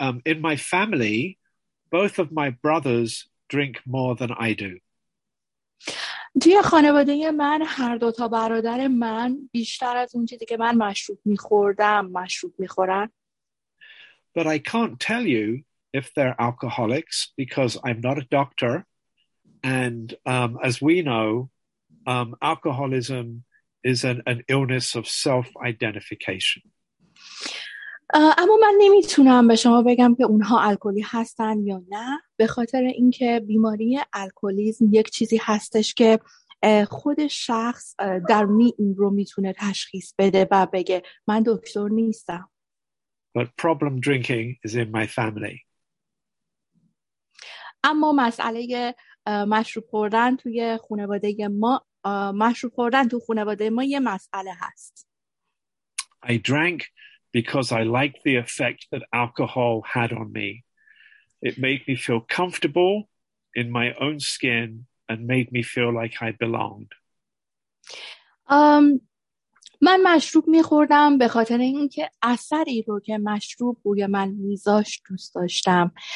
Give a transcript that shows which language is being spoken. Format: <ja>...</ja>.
<en>In my family both of my brothers drink more than I do.</en> <fa>توی خانواده من هر دوتا برادر من بیشتر از اون چیزی که من مشروب میخوردم مشروب میخورن.</fa> <en>But I can't tell you if they're alcoholics because I'm not a doctor and as we know alcoholism is an illness of self-identification.</en> <fa>اما من نمیتونم به شما بگم که اونها الکلی هستن یا نه، به خاطر اینکه بیماری الکلیسم یک چیزی هستش که خود شخص در این رو میتونه تشخیص بده و بگه من دکتر نیستم.</fa> <en>But problem drinking is in my family.</en> <fa>اما مسئله مشروب خوردن توی خانواده ما، مشروب خوردن تو خانواده ما یه مسئله هست.</fa> <en>I drank because I liked the effect that alcohol had on me. It made me feel comfortable in my own skin and made me feel like I belonged.</en> <fa>من مشروب می‌خوردم به خاطر اینکه اثری رو که مشروب روی من می‌ذاشت دوست داشتم.</fa>